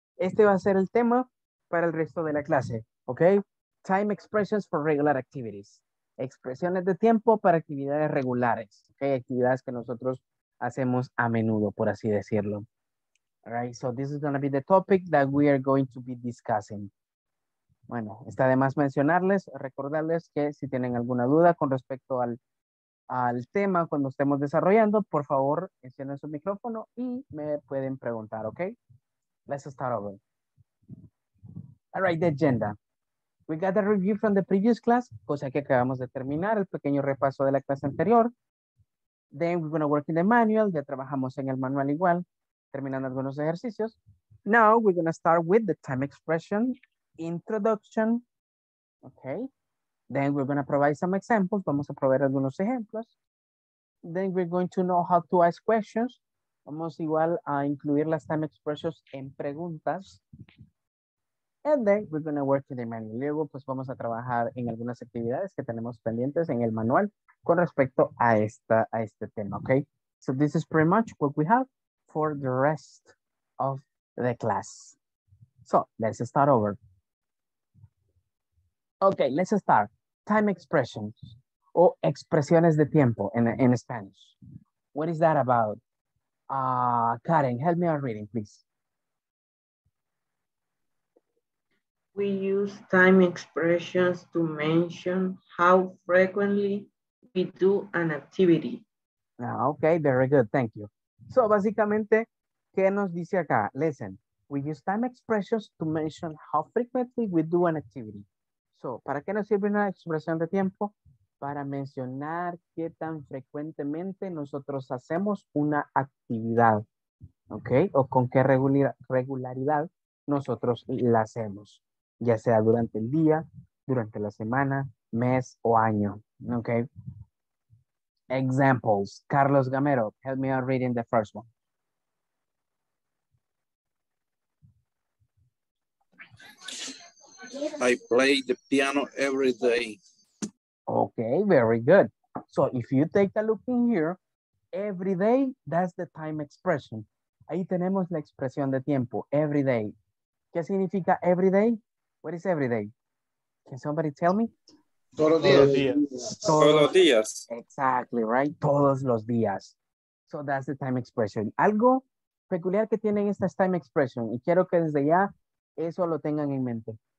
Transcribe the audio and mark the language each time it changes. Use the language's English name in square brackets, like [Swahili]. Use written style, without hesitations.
[Spanish] Este va a ser el tema para el resto de la clase. [English] Okay, time expressions for regular activities. [Spanish] Expresiones de tiempo para actividades regulares. Okay, actividades que nosotros hacemos a menudo, por así decirlo. [English] All right, so this is going to be the topic that we are going to be discussing. [Spanish] Bueno, está de más mencionarles, recordarles que si tienen alguna duda con respecto al tema cuando estemos desarrollando, por favor, encienden su micrófono y me pueden preguntar, ¿ok? [English] Let's start over. All right, the agenda. We got a review from the previous class, [Spanish] cosa que acabamos de terminar, el pequeño repaso de la clase anterior. [English] Then we're going to work in the manual. [Spanish] Ya trabajamos en el manual igual, terminando algunos ejercicios. [English] Now we're going to start with the time expression, introduction. Okay. Then we're going to provide some examples. [Spanish] Vamos a proveer algunos ejemplos. [English] Then we're going to know how to ask questions. [Spanish] Vamos igual a incluir las time expressions en preguntas. [English] And then we're going to work in the manual. [Spanish] Luego, pues vamos a trabajar en algunas actividades que tenemos pendientes en el manual con respecto a esta, a este tema, okay? [English] So this is pretty much what we have for the rest of the class. So let's start over. Okay, let's start. Time expressions [Spanish] o expresiones de tiempo [English] in Spanish. What is that about? Karen, help me out reading, please. We use time expressions to mention how frequently we do an activity. Okay, very good. Thank you. So, [Spanish] básicamente, ¿qué nos dice acá? [English] Listen, we use time expressions to mention how frequently we do an activity. [Spanish] So, ¿para qué nos sirve una expresión de tiempo? Para mencionar qué tan frecuentemente nosotros hacemos una actividad. Okay, o con qué regularidad nosotros la hacemos. Ya sea durante el día, durante la semana, mes o año. [English] Okay. Examples. Carlos Gamero, help me out reading the first one. I play the piano every day. Okay, very good. So if you take a look in here, every day, that's the time expression. [Spanish] Ahí tenemos la expresión de tiempo, every day. ¿Qué significa every day? [English] What is every day? Can somebody tell me? [Spanish] Todos los días. [English] Exactly, right? [Spanish] Todos los días. [English] So that's the time expression. [Spanish] Algo peculiar que tienen estas time expressions, y quiero que desde ya eso lo tengan en mente.